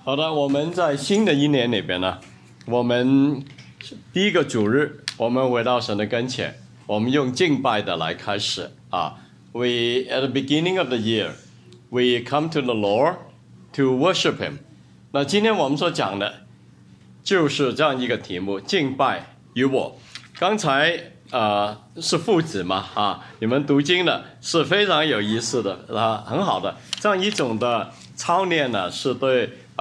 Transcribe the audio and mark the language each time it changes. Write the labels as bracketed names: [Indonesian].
[Chinese] 好的，我们在新的一年里边呢，我们第一个主日，我们回到神的跟前，我们用敬拜的来开始啊。 [English] We at the beginning of the year, we come to the Lord to worship Him. [Chinese] 那今天我们所讲的就是这样一个题目：敬拜与我。刚才是父子嘛啊，你们读经的是非常有意思的啊，很好的这样一种的操练呢，是对。